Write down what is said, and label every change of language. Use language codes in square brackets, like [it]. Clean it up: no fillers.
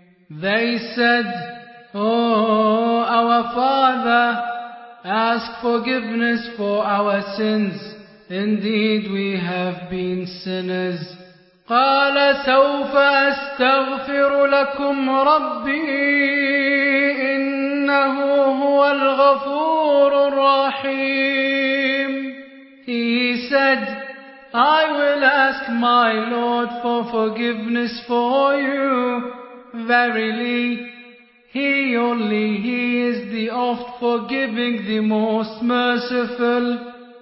[en] They said, oh, our father, ask forgiveness for our sins. Indeed, we have been sinners. [ar] قال سوف أستغفر لكم ربي إنه هو الغفور الرحيم. [en] He said, I will ask my Lord for forgiveness for you. Verily, He only, He is the oft-forgiving, the most merciful.